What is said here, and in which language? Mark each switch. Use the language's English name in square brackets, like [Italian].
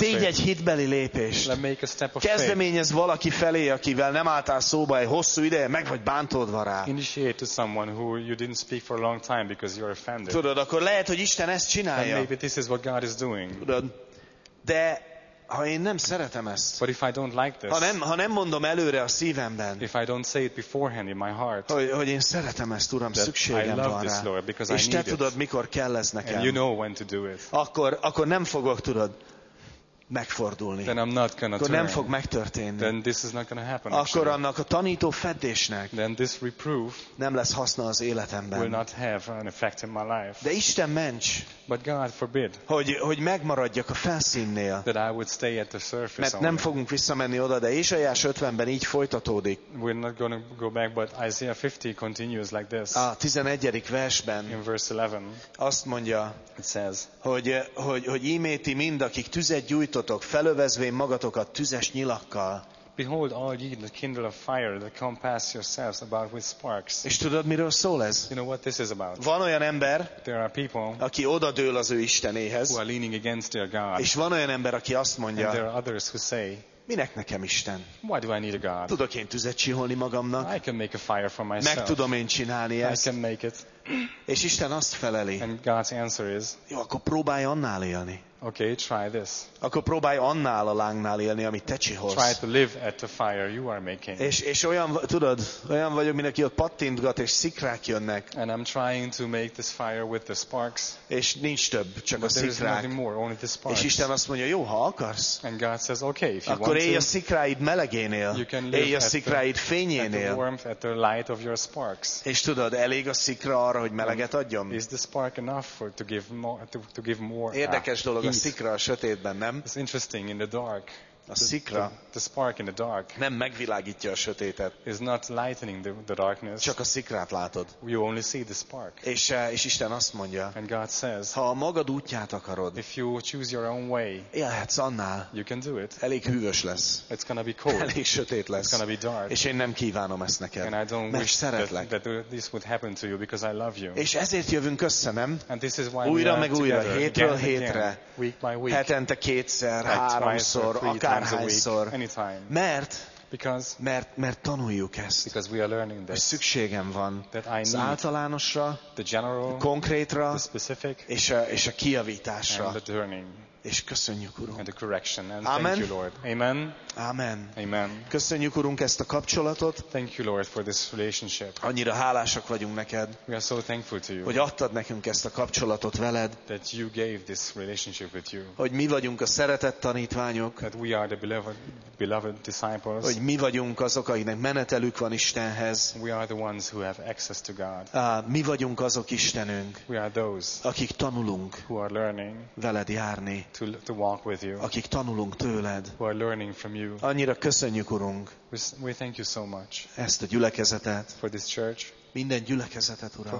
[Hungarian] Tudod, tégy egy hitbeli lépést. [English] Like, make a step of faith. [Hungarian] Kezdeményez valaki felé, akivel nem álltál szóba egy hosszú ideje, meg vagy bántódva rá. [English] Initiate to someone who you didn't speak for a long time because you're offended. [Hungarian] Tudod, akkor lehet, hogy Isten ezt csinálja. [English] And maybe this is what God is doing. [Hungarian] Tudod, de ha én nem szeretem ezt, [English] but if I don't like this, [Hungarian] ha nem mondom előre a szívemben, [English] if I don't say it beforehand in my heart, [Hungarian] hogy én szeretem ezt, Uram, szükségem van rá, és te tudod, mikor kell ez nekem, [English] and you know when to do it. [Hungarian] Akkor nem fogok, tudod, megfordulni. [English] Then I'm not gonna [Hungarian] akkor nem fog megtörténni. [English] Then this is not gonna happen, [Hungarian] akkor annak a tanító feddésnek nem lesz haszna az életemben. [English] Will not have an effect in my life. [Hungarian] De Isten ments, [English] but God forbid, [Hungarian] hogy megmaradjak a felszínnél. [English] That I would stay at the surface. [Hungarian] Mert nem fogunk visszamenni oda, de Ézsaiás 50-ben így folytatódik. [English] We're not gonna go back, but Isaiah 50 continues like this. [Hungarian] A 11. versben [English] in verse 11, [Hungarian] azt mondja, [English] it says, [Hungarian] hogy íméti mind, akik tüzet gyújt felövezvén magatokat tüzes nyilakkal. [English] Behold all ye the kindle of fire that compass yourselves about with sparks. [Hungarian] És tudod, miről szól ez? [English] You know what this is about. [Hungarian] Van olyan ember, [English] there are people, [Hungarian] aki odadől az ő istenéhez, [English] who are leaning against their God. [Hungarian] És van olyan ember, aki azt mondja, [English] and there are others who say, [Hungarian] minek nekem Isten? [English] Why do I need a God? [Hungarian] Tudok én tüzet csiholni magamnak. [English] I can make a fire for myself. [Hungarian] Meg tudom én csinálni ezt. [English] I can make it. [Hungarian] És Isten azt feleli. [English] And God's answer is, [Hungarian] jó, akkor próbálj annál élni. [English] Okay, try this. [Hungarian] Akkor próbálj annál a lángnál élni, amit te csiholsz. [English] Try to live at the fire you are making. [Hungarian] És olyan, tudod, olyan vagyok, mint aki ott pattintgat, és szikrák jönnek. [English] And I'm trying to make this fire with the sparks. [Hungarian] És nincs több, csak a szikrák. [English] There is nothing more, only the sparks. [Hungarian] És Isten azt mondja, jó, ha akarsz. [English] And God says, okay, if you [Hungarian] akkor [English] want [Hungarian] élj a szikráid melegénél. [English] You can live [Hungarian] élj a szikráid fényénél. [English] At the warmth, at the light of your sparks. [Hungarian] És tudod, elég a szikra arra, hogy meleget adjam. [English] Is the spark enough for to give more, to give more? [Hungarian] Érdekes dolog. A szikra a sötétben, nem? [English] It's interesting in the dark. [Hungarian] A szikra, [English] the spark in the dark. [Hungarian] Nem megvilágítja a sötétet. [English] Is not lightening the darkness. [Hungarian] Csak a szikrát látod. [English] You only see the spark. [Hungarian] És Isten azt mondja. [English] And God says, [Hungarian] ha a magad útját akarod. [English] If you choose your own way. [Hungarian] Élhetsz annál. [English] You can do it. [Hungarian] Elég hűvös lesz. [English] It's gonna be cold. [Hungarian] Elég sötét lesz. [English] It's gonna be dark. [Hungarian] És én nem kívánom ezt neked. [English] And I don't [Hungarian] mert [English] wish [Hungarian] szeretlek. [English] That this would happen to you because I love you. [Hungarian] És ezért jövünk össze, nem? [English] And this is why [Hungarian] újra meg újra, hétről hétre. [English] Again, week by week. [Hungarian] Hetente kétszer, háromszor, akár akárhányszor, [English] anytime. [Hungarian] Mert tanuljuk ezt. [English] Because we are learning this. [Hungarian] Szükségem van az általánosra, [English] the general, [Hungarian] konkrétra, [English] the specific, [Hungarian] és a kijavításra. [English] And the turning. [Hungarian] És köszönjük, Urunk. [English] And the correction. And Amen. Thank you, Lord. Amen. Amen. Amen. [Hungarian] Köszönjük, Urunk, ezt a kapcsolatot. [English] Thank you, Lord, for this relationship. [Hungarian] Annyira hálásak vagyunk neked. [English] We are so thankful to you. [Hungarian] Hogy adtad nekünk ezt a kapcsolatot veled. [English] That you gave this relationship with you. [Hungarian] Hogy mi vagyunk a szeretett tanítványok. [English] That we are the beloved disciples. [Hungarian] Hogy mi vagyunk azok, akiknek menetelük van Istenhez. [English] We are the ones who have access to God. [Hungarian] Mi vagyunk azok, Istenünk. [English] We are those. [Hungarian] Akik tanulunk. [English] Who are learning. [Hungarian] Veled járni. [English] To walk with you. [Hungarian] Akik tanulunk tőled. [English] Who are learning from you. [Hungarian] Annyira köszönjük, Urunk. [English] We thank you so much. [Hungarian] Ezt a gyülekezetet. [English] For this church. [Hungarian] Minden gyülekezetet, Uram.